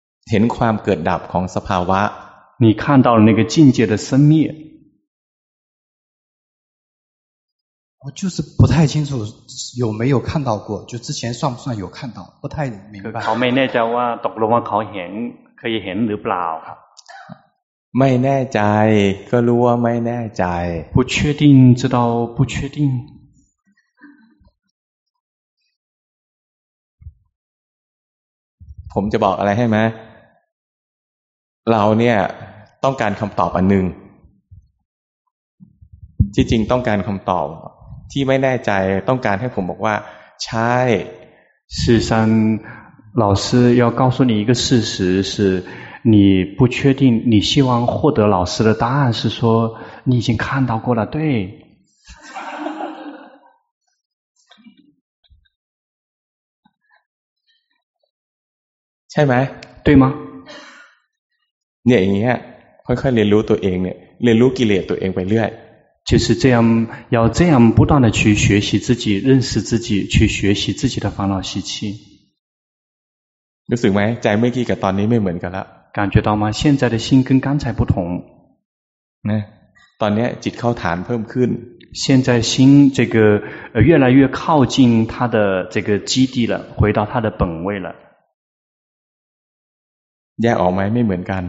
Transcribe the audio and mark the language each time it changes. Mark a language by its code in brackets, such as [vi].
[th] เห็นความเกิดดับของสภาวะ [zh] 你看到了那个境界的生灭我就是不太清楚有没有看到过就之前算不算有看到不太明白 [th] เขาไม่แน่ใจว่าตกลงว่าเขาเห็นเคยเห็นหรือเปล่าครับ ไม่แน่ใจก็รู้ว่าไม่แน่ใจ [zh] 不确定知道不确定 [th] ผมจะบอกอะไรให้ไหมเราเนี่ยต้องการคำตอบอันหนึ่งที่จริงต้องการคำตอบ ที่ไม่แน่ใจต้องการให้ผมบอกว่าใช่ [zh] 事实上老师要告诉你一个事实是你不确定你希望获得老师的答案是说你已经看到过了对 [th] ใช่ไหม [zh] 对吗 [th] เนี่ยอย่างเงี้ยค่อยๆเรียนรู้ตัวเองเนี่ยเรียนรู้กิเลสตัวเองไปเรื่อย [zh] 就是这样要这样不断的去学习自己认识自己去学习自己的烦恼习气 [th] รู้สึกไหมใจเมื่อกี้กับตอนนี้ไม่เหมือนกันละ [zh] 感觉到吗现在的心跟刚才不同 [th] นะตอนนี้จิตเข้าฐานเพิ่มขึ้น [zh] 现在心这个越来越靠近它的这个基地了回到它的本位了 [th] แยกออกไหมไม่เหมือนกัน